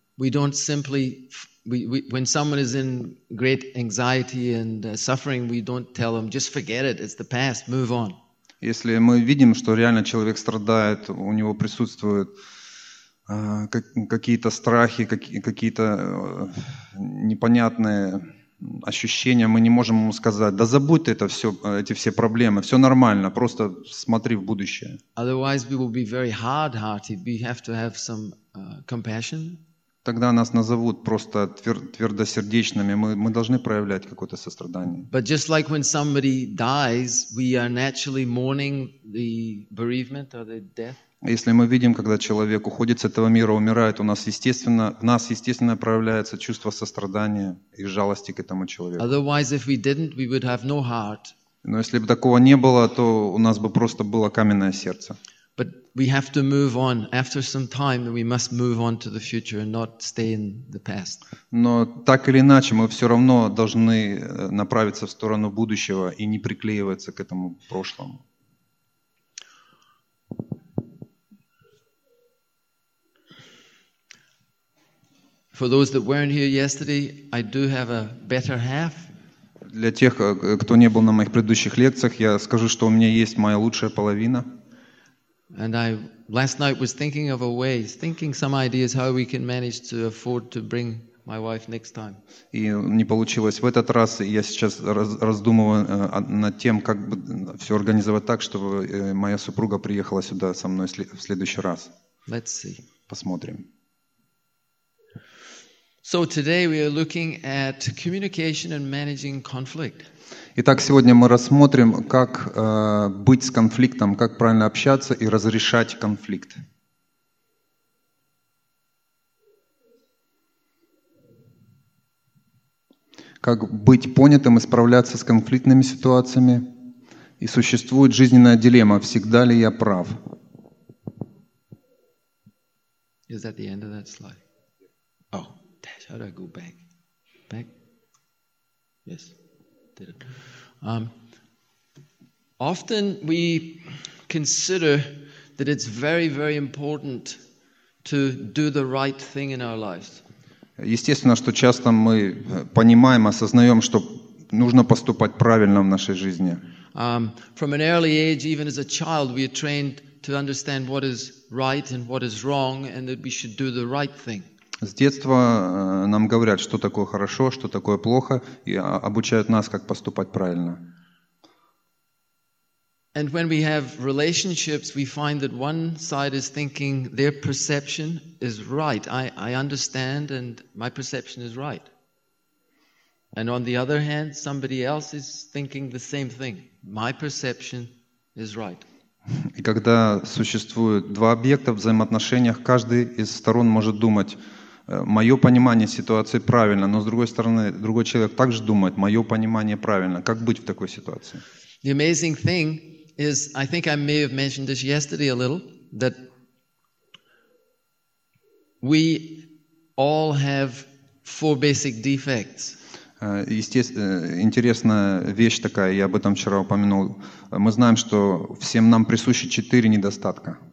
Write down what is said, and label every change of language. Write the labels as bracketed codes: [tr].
[en] We don't simply when someone is in great anxiety and suffering, we don't tell them just forget it, it's the past, move on. [ru] Если мы видим, что реально человек страдает, у него присутствует какие-то страхи, какие-то непонятные ощущения, мы не можем ему сказать, да забудь ты это все, эти все проблемы, все нормально, просто смотри в будущее. [en] Otherwise we will be very hard-hearted. We have to have some compassion. [ru] Тогда нас назовут просто твердосердечными. Мы должны проявлять какое-то сострадание. [en] But just like when somebody dies, we are naturally mourning the bereavement or the death. [ru] Если мы видим, когда человек уходит с этого мира, умирает, в нас естественно проявляется чувство сострадания и жалости к этому человеку. [en] Otherwise, if we didn't, we would have no heart. [ru] Но если бы такого не было, то у нас бы просто было каменное сердце. [en] But we have to move on. After some time, we must move on to the future and not stay in the past. [ru] Но так или иначе, мы все равно должны направиться в сторону будущего и не приклеиваться к этому прошлому. [en] For those that weren't here yesterday, I do have a better half. [ru] Для тех, кто не был на моих предыдущих лекциях, я скажу, что у меня есть моя лучшая половина. [en] And I last night was thinking of a way, thinking some ideas how we can manage to afford to bring my wife next time. [ru] И не получилось в этот раз, и я сейчас раздумываю над тем, как бы все организовать так, чтобы моя супруга приехала сюда со мной в следующий раз. [en] Let's see. [ru] Посмотрим. [en] So today we are looking at communication and managing conflict. [ru] Итак, сегодня мы рассмотрим, как быть с конфликтом, как правильно общаться и разрешать конфликт. Как быть понятым и справляться с конфликтными ситуациями. И существует жизненная дилемма, всегда ли я прав. [en] Is that the end of that slide? Oh, Dash, how do I go back? Back? Yes. Did it. Often we consider that it's very, very important to do the right thing in our lives. [ru] Естественно, что часто мы понимаем, осознаем, что нужно поступать правильно в нашей жизни. [en] From an early age, even as a child, we are trained to understand what is right and what is wrong, and that we should do the right thing. [ru] С детства нам говорят, что такое хорошо, что такое плохо, и обучают нас, как поступать правильно. [en] And when we have relationships, we find that one side is thinking their perception is right. I understand, and my perception is right. And on the other hand, somebody else is thinking the same thing. My perception is right. [ru] И когда существуют два объекта в взаимоотношениях, каждый из сторон может думать, мое понимание ситуации правильно, но с другой стороны, другой человек также думает, мое понимание правильно. Как быть в такой ситуации? [en] The amazing thing is, I think I may have mentioned this yesterday a little, that we all have four basic defects. [ru] Интересная вещь такая, я об этом вчера упомянул. Мы знаем, что всем нам присущи четыре недостатка.